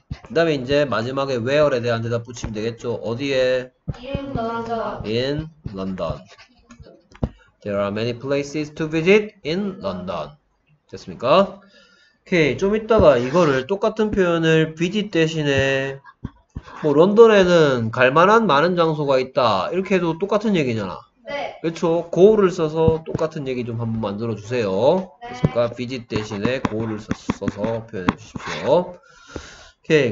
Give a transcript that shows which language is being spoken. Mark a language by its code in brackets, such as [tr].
[ko] 그 다음에 이제 마지막에 where에 대한 대답 붙이면 되겠죠. 어디에? [en] In London. There are many places to visit in London. [ko] 됐습니까? 오케이. 좀 이따가 이거를 똑같은 표현을 visit 대신에 뭐 런던에는 갈만한 많은 장소가 있다 이렇게 해도 똑같은 얘기잖아. 네. 그렇죠. 고를 써서 똑같은 얘기 좀 한번 만들어 주세요. 네. 됐습니까? visit 대신에 고를 써서 표현해 주십시오. 오케이.